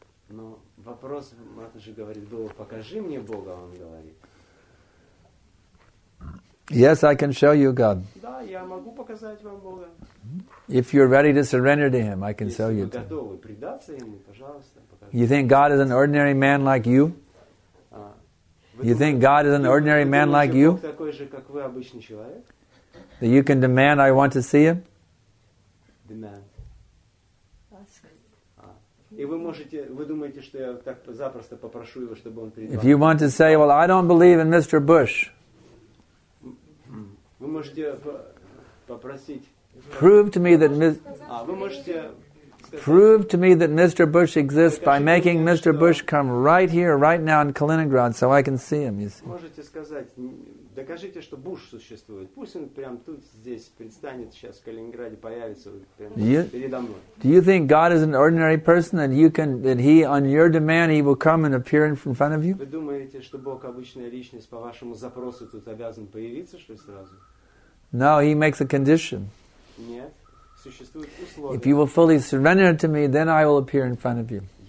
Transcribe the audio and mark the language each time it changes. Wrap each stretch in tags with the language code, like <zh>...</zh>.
<ru>Но вопрос, Матаджи говорит, был, покажи мне Бога, он говорит.</ru> <en>Yes, I can show you God.</en> <ru>Да, я могу показать вам Бога.</ru> <en>If you're ready to surrender to Him, I can show you.</en> <ru>Если вы готовы предаться Ему, пожалуйста, покажи.</ru> <en>You think God is an ordinary man like you? You think God is an ordinary man like you?</en> <ru>Бог такой же, как вы, обычный человек?</ru> <en>That you can demand, I want to see Him? Demand.</en> <ru>И вы можете, вы думаете, что я так запросто попрошу его, чтобы он перед вами.</ru> <en>If you want to say, well, I don't believe in Mr. Bush.</en> <ru>Вы можете попросить.</ru> <en>Prove to me that</en> <ru>вы можете.</ru> <en>Prove to me that Mr. Bush exists by making Mr. Bush come right here, right now in Kaliningrad, so I can see him. You see.</en> <ru>Можете сказать, докажите, что Буш существует. Пусть он прям тут здесь предстанет сейчас в Калининграде, появится передо мной.</ru> <en>Do you think God is an ordinary person and you can that He on your demand He will come and appear in front of you?</en> <ru>Вы думаете, что Бог обычная личность по вашему запросу тут обязан появиться что ли сразу?</ru> <en>No, He makes a condition.</en> <ru>Нет.</ru> <en>If you will fully surrender to me, then I will appear in front of you.</en>